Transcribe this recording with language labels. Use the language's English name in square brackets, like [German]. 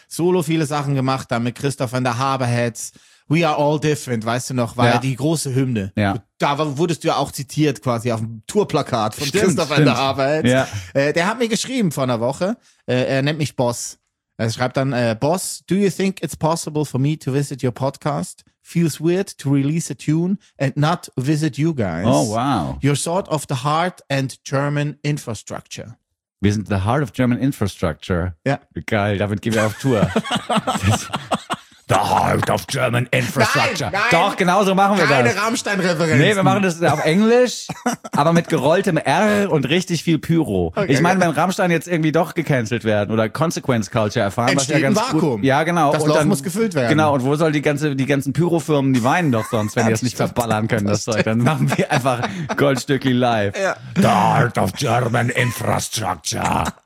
[German] Solo viele Sachen gemacht, da mit Christopher in der Haberheads. We Are All Different, weißt du noch, war ja die große Hymne. Ja. Da wurdest du ja auch zitiert quasi auf dem Tourplakat von Christopher in der Arbeit. Ja. Der hat mir geschrieben vor einer Woche, er nennt mich Boss. Er schreibt dann, Boss, [English] do you think it's possible for me to visit your podcast? feels weird to release a tune and not visit you guys. Oh, wow. You're sort of the heart and German infrastructure. [German] Wir sind [English] the heart of German infrastructure. [German] Ja. Geil, damit gehen wir auf Tour. [English] The heart of German infrastructure. [German] Nein, nein. Doch, genau so machen wir keine das. Keine Rammstein-Referenz. Nee, wir machen das auf Englisch, aber mit gerolltem R und richtig viel Pyro. Okay, ich meine, wenn Rammstein jetzt irgendwie doch gecancelt werden oder Consequence Culture erfahren, entsteht was ja ganz ein Vakuum. Gut, ja, genau. Das Loch muss gefüllt werden. Genau, und wo soll die ganzen Pyro-Firmen, die weinen doch sonst, wenn die das nicht verballern können, das Zeug. Dann machen wir einfach Goldstückli live. Ja. [English] The heart of German infrastructure.